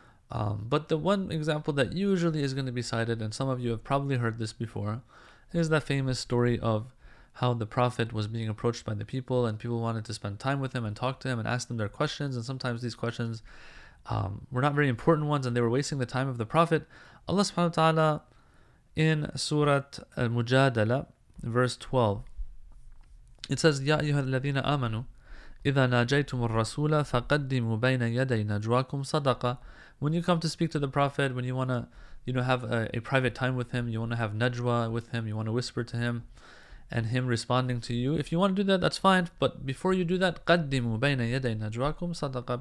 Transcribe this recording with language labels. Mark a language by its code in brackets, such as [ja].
[en] But the one example that usually is going to be cited, and some of you have probably heard this before, is that famous story of how the Prophet was being approached by the people, and people wanted to spend time with him and talk to him and ask them their questions. And sometimes these questions were not very important ones, and they were wasting the time of the Prophet. Allah subhanahu wa ta'ala in Surat Al-Mujadala, verse 12, it says, [ar] يَا أَيُّهَا الَّذِينَ آمَنُوا إِذَا نَاجَيْتُمُ الرَّسُولَ فَقَدِّمُوا بَيْنَ يَدَيْ نَجْوَاكُمْ صَدَقَ. [en] When you come to speak to the Prophet, when you want to, you know, have a private time with him, you want to have najwa with him, you want to whisper to him and him responding to you, if you want to do that, that's fine. But before you do that, [ar] قَدِّمُوا بَيْنَ يَدَيْ نَجْوَاكُمْ صَدَقَ.